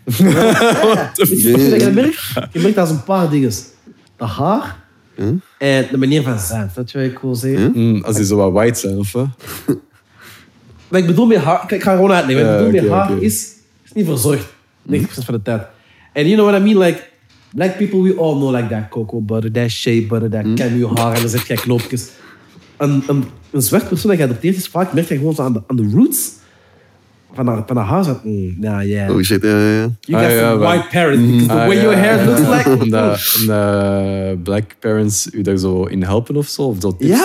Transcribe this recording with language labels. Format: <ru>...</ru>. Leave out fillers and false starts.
<nl>Je merkt dat als een paar dingen. De haar... en de manier van zijn. Dat zou ik wel zeggen. Als die zo wat white zijn, of... Wat ik bedoel met haar, ik ga gewoon uitleggen. Wat ik bedoel met haar is niet verzorgd. 90% van de tijd. En</nl> <en>you know what I mean? Like, black people, we all know like that cocoa butter, that shea butter, that cameo haar.</en> <nl>En dan zeg je knopjes. Een zwart persoon dat geadopteerd is, vaak merk je gewoon zo aan de roots van de haar. Zo,</nl> <en>Oh shit, You got some white parents. Because the way your hair looks like.</en> <nl>En black parents u daar zo in helpen of zo? Of zo tips</nl>